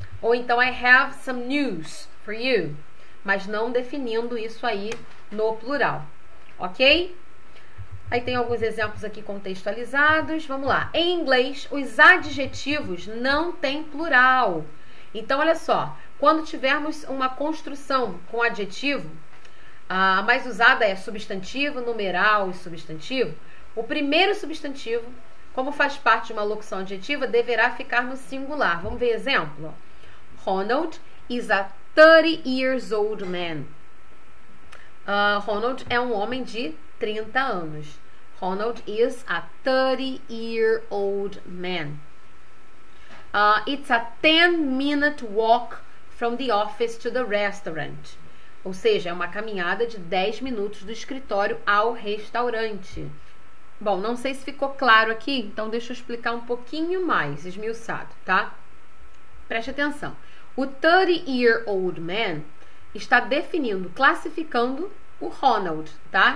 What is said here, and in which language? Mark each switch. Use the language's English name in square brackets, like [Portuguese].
[Portuguese] Ou então [English] I have some news for you. [Portuguese] Mas não definindo isso aí no plural, ok? Aí tem alguns exemplos aqui contextualizados. Vamos lá. Em inglês, os adjetivos não têm plural. Então, olha só. Quando tivermos uma construção com adjetivo, a mais usada é substantivo, numeral e substantivo. O primeiro substantivo, como faz parte de uma locução adjetiva, deverá ficar no singular. Vamos ver exemplo. [English] Ronald is a 30 years old man. [Portuguese] Ronald é um homem de 30 anos. [English] Ronald is a 30 year old man. It's a 10 minute walk from the office to the restaurant. [Portuguese] Ou seja, é uma caminhada de 10 minutos do escritório ao restaurante. Bom, não sei se ficou claro aqui, então deixa eu explicar um pouquinho mais, esmiuçado, tá? Preste atenção. O 30-year-old man está definindo, classificando o Ronald, tá?